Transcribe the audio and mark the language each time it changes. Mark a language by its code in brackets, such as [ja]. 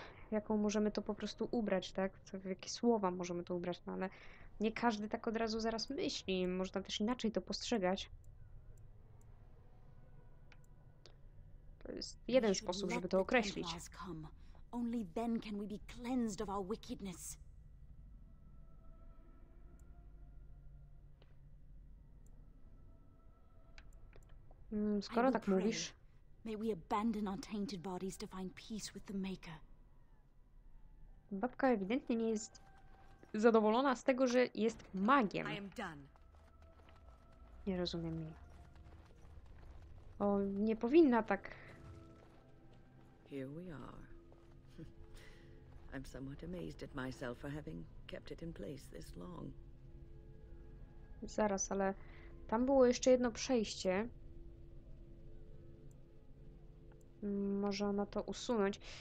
[pl] Jaką możemy to po prostu ubrać, tak? W jakie słowa możemy to ubrać, no ale nie każdy tak od razu zaraz myśli. Można też inaczej to postrzegać. To jest jeden sposób, żeby to określić. [en] Only then can we be cleansed of our wickedness. [pl] Skoro tak mówisz, [en] may we abandon our tainted bodies to find peace with the Maker. [pl] Babka ewidentnie nie jest zadowolona z tego, że jest magiem. [en] I am done. [pl] Nie rozumiem jej. O, nie powinna tak. [en] Here we are. I'm somewhat amazed at myself for having kept it in place this long. [pl] Zaraz, ale tam było jeszcze jedno przejście. Może ona to usunąć.